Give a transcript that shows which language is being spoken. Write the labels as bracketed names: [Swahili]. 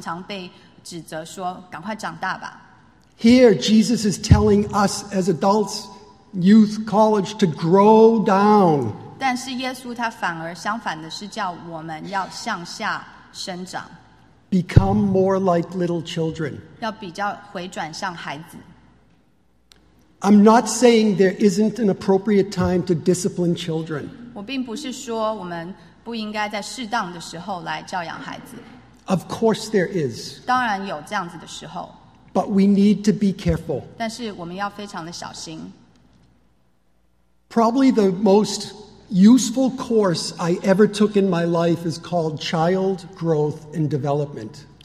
[Chinese] 我记得当我是孩子的时候，我常常被指责说，赶快长大吧。 [English] Here, Jesus is telling us as adults, youth, college, to grow down. [Chinese] 但是耶稣他反而相反的是叫我们要向下生长。 [English] Become more like little children. [Chinese] 要比较回转向孩子。 [English] I'm not saying there isn't an appropriate time to discipline children. [Chinese] 我并不是说我们不应该在适当的时候来教养孩子。 [English] Of course there is. [Chinese] 当然有这样子的时候。 [English] But we need to be careful. [Chinese] 但是我们要非常的小心。 [English] Probably the most useful course I ever took in my life is called Child Growth and Development.